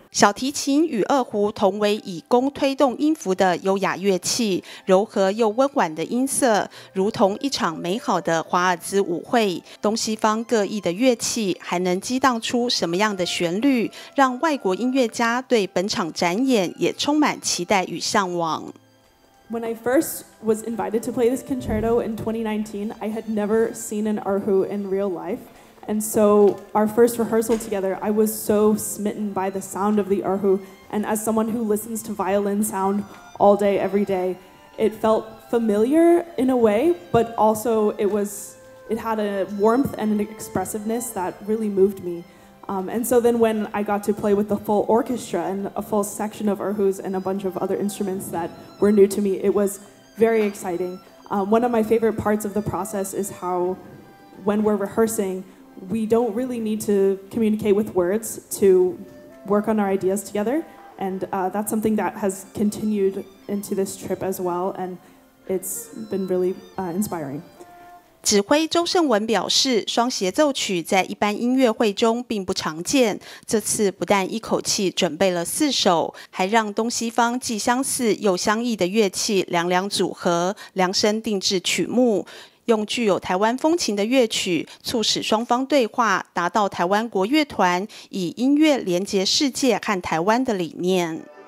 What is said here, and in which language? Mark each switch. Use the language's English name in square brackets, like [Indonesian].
[Chinese] 小提琴与二胡同为以弓推动音符的优雅乐器，柔和又温婉的音色，如同一场美好的华尔兹舞会。东西方各异的乐器还能激荡出什么样的旋律，让外国音乐家对本场展演也充满期待与向往。 [English] When I first was invited to play this concerto in 2019, I had never seen an erhu in real life. And so our first rehearsal together, I was so smitten by the sound of the erhu. And as someone who listens to violin sound all day, every day, it felt familiar in a way, but also it had a warmth and an expressiveness that really moved me. And so then when I got to play with the full orchestra and a full section of erhus and a bunch of other instruments that were new to me, it was very exciting. One of my favorite parts of the process is how when we're rehearsing, we don't really need to communicate with words to work on our ideas together. And that's something that has continued into this trip as well. And It's been really inspiring. [Chinese] 指挥周胜文表示，双协奏曲在一般音乐会中并不常见，这次不但一口气准备了四首，还让东西方既相似又相异的乐器两两组合，量身定制曲目，用具有台湾风情的乐曲促使双方对话，达到台湾国乐团以音乐连结世界和台湾的理念。